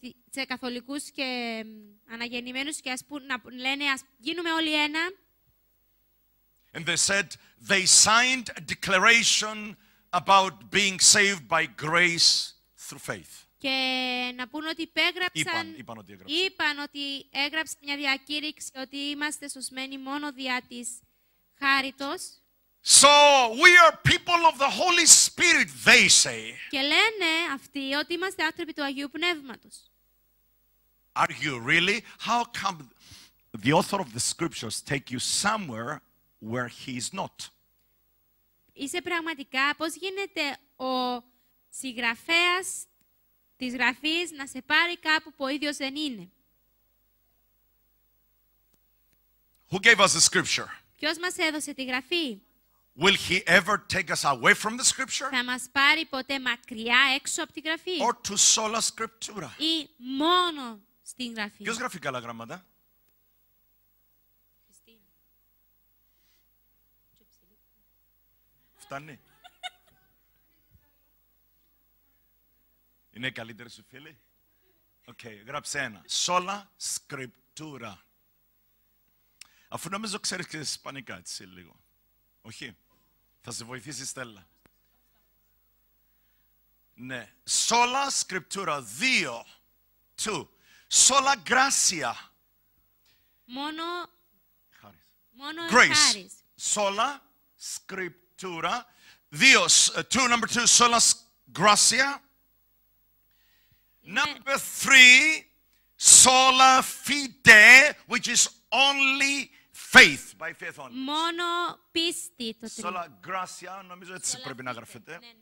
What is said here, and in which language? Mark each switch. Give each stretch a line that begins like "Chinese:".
Greek: Σε καθολικούς και αναγεννημένους και να λένε ας γίνουμε όλοι ένα.
English: And they said they signed a declaration about being saved by grace through faith.
Greek: Και να πούν ότι υπέγραψαν, είπαν ότι έγραψαν μια διακήρυξη ότι είμαστε σωσμένοι μόνο διά της χάριτος.
English: So we are people of the Holy Spirit, they say.
Greek: Και λένε αυτοί ότι είμαστε άνθρωποι του Αγίου Πνεύματος.
English: Are you really? How come the author of the scriptures take you somewhere where he is not?
Greek: Είσαι πραγματικά, πώς γίνεται ο συγγραφέας της γραφής να σε πάρει κάπου που ο ίδιος δεν είναι?
English: Who gave us the scripture?
Greek: Ποιος μας έδωσε τη γραφή?
English: Will he ever take us away from the scripture?
Greek: Θα μας πάρει ποτέ μακριά έξω από τη γραφή?
English: Or to sola scriptura?
Greek: Ή μόνο στην γραφή? Ποιος γράφει καλά γράμματα? Φτάνει. Είναι καλύτερη σου φίλη. Okay, γράψε ένα. Sola scriptura. Αφού νομίζω ξέρεις και ισπανικά έτσι λίγο. Όχι. Θα σε βοηθήσει Στέλλα. Ναι. Sola scriptura. Δύο. Two.
Spanish: Sola gracia.
Greek: Μόνο. Χάρις. Μόνο grace. Χάρις.
English: Sola scriptura. Δύο. Two, number two.
Spanish: Sola gracia.
English: Number three, sola fide, which is only faith, by faith only.
Greek: Μόνο πίστη. Sola gracia, νομίζω έτσι sola πρέπει fide. Να γραφετε.